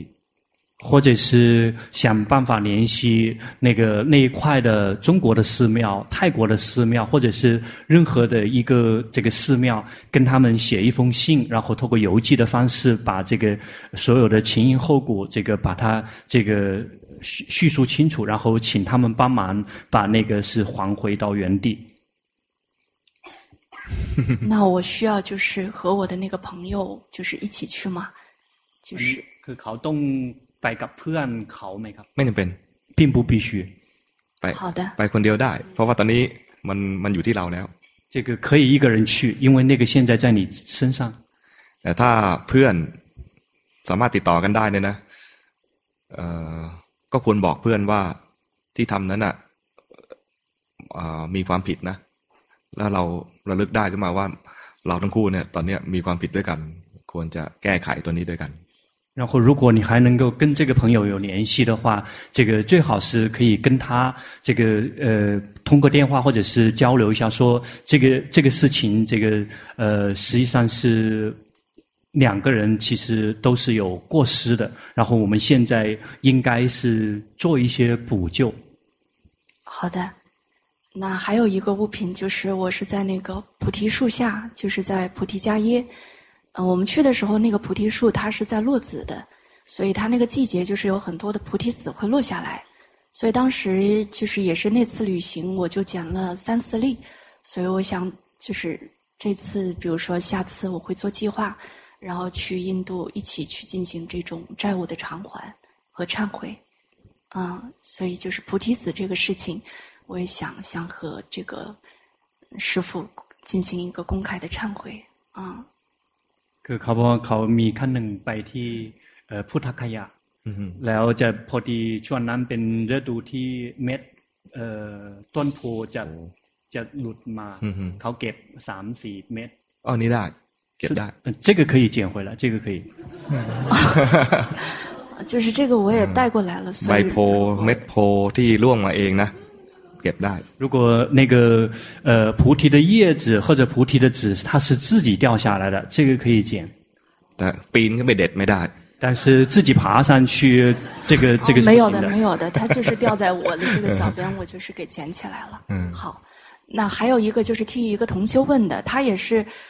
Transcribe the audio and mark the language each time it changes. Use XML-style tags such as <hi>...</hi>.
<zh>或者是想办法联系那个那一块的中国的寺庙泰国的寺庙或者是任何的一个这个寺庙跟他们写一封信然后透过邮寄的方式把这个所有的前因后果这个把它这个叙述清楚然后请他们帮忙把那个是还回到原地那我需要就是和我的那个朋友就是一起去吗就是</zh> <th>可考动ไปกับเพื่อนเขาไหมครับ ไม่จำเป็น</th> <zh>并不必须</zh> <th>ไป</th> <zh>好的</zh> <th>ไปคนเดียวได้เพราะว่าตอนนี้มันอยู่ที่เราแล้ว</th> <zh>这个可以一个人去因为那个现在在你身上</zh> <th>แต่ถ้าเพื่อนสามารถติดต่อกันได้เนี่ยนะก็ควรบอกเพื่อนว่าที่ทำนั้นมีความผิดนะแล้วเราระลึกได้ขึ้นมาว่าเราทั้งคู่เนี่ยตอนนี้มีความผิดด้วยกันควรจะแก้ไขตัวนี้ด้วยกัน</th> <zh>然后如果你还能够跟这个朋友有联系的话这个最好是可以跟他这个通过电话或者是交流一下说这个事情这个实际上是两个人其实都是有过失的然后我们现在应该是做一些补救好的那还有一个物品就是我是在那个菩提树下就是在菩提伽耶我们去的时候那个菩提树它是在落子的所以它那个季节就是有很多的菩提子会落下来所以当时就是也是那次旅行我就捡了三四粒所以我想就是这次比如说下次我会做计划然后去印度一起去进行这种债务的偿还和忏悔所以就是菩提子这个事情我也想和这个师父进行一个公开的忏悔</zh> <th>คือเขามีขั้นหนึ่งไปที่พุทธคยะแล้วจะพอดีช่วงนั้นเป็นฤดูที่เม็ดต้นโพจะหลุดมาเขาเก็บ 3-4 เม็ด อ๋อนี่ได้เก็บได้</th> <zh>这个可以捡回来这个可以就是这个我也带过来了，所以</zh> <th>ใบโพเม็ดโพที่ร่วงมาเองนะเก็บได้</th> <zh>如果那个菩提的叶子或者菩提的籽它是自己掉下来的这个可以捡</zh> <th>แต่ปีนขึ้นไปเด็ดไม่ได้</th> <zh>但是自己爬上去这个没有的没有的它就是掉在我的这个小边我就是给捡起来了好那还有一个就是听一个同修问的他也是</zh>